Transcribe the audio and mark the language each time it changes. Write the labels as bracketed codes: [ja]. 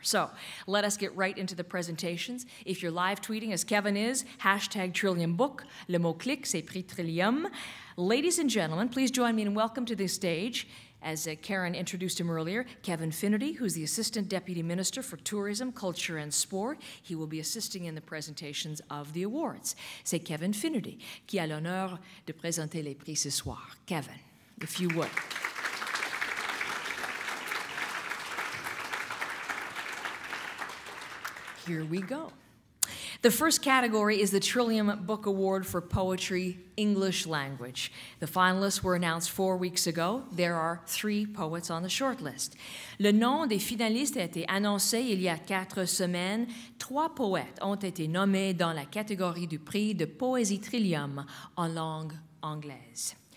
[en] So let us get right into the presentations. If you're live tweeting, as Kevin is, hashtag Trillium Book, [fr] le mot clic, c'est Prix Trillium. [en] Ladies and gentlemen, please join me in welcome to this stage, as Karen introduced him earlier, Kevin Finnerty, who's the Assistant Deputy Minister for Tourism, Culture, and Sport. He will be assisting in the presentations of the awards. [fr] C'est Kevin Finnerty qui a l'honneur de présenter les prix ce soir. [en] Kevin, if you would. Here we go. The first category is the Trillium Book Award for Poetry, English Language. The finalists were announced 4 weeks ago. There are three poets on the shortlist. [fr] Le nom des finalistes a été annoncé il y a quatre semaines. Trois poètes ont été nommés dans la catégorie du prix de poésie Trillium en langue anglaise.